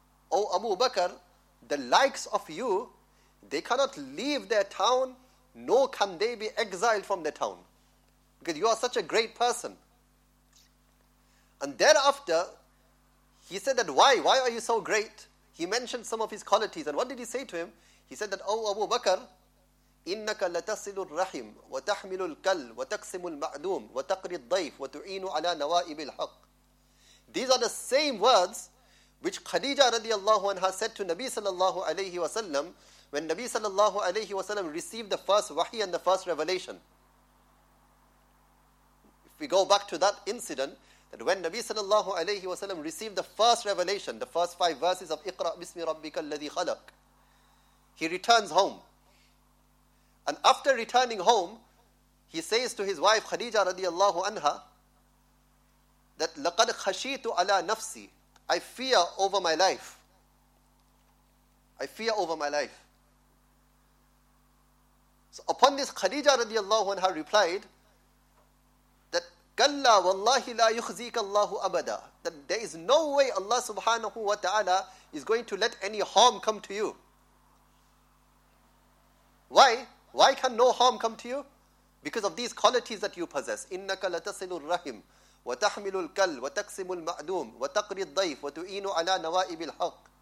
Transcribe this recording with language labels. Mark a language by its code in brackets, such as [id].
[en] O Abu Bakr, the likes of you, they cannot leave their town, nor can they be exiled from their town, because you are such a great person. And thereafter, he said that, why? Why are you so great? He mentioned some of his qualities. And what did he say to him? He said that, O Abu Bakr, [ar] إِنَّكَ لَتَصِلُ الرَّحِيمُ وَتَحْمِلُ الْكَلِّ وَتَقْسِمُ الْمَعْدُومُ وَتَقْرِ الضَّيْفُ وَتُعِينُ عَلَى نَوَائِبِ الْحَقِّ. [en] These are the same words which Khadija radiallahu anha said to Nabi sallallahu alayhi wa sallam when Nabi sallallahu alayhi wa sallam received the first wahi and the first revelation. If we go back to that incident, and when Nabi sallallahu alayhi wa sallam received the first revelation, the first five verses of [ar] Iqra bismi rabbika alladhi khalaq, [en] he returns home. And after returning home, he says to his wife Khadija radiallahu anha, that [ar] laqad khashitu ala nafsi, [en] I fear over my life. I fear over my life. So upon this, Khadija radiallahu anha replied, [ar] كلا والله لا يخزيك الله أبدا. [en] That there is no way Allah subhanahu wa ta'ala is going to let any harm come to you. Why? Why can no harm come to you? Because of these qualities that you possess. [ar] إنك لتصل الرحم وتحمل الكل وتقسم المعدوم وتقري الضيف وتؤين على نوائب الحق.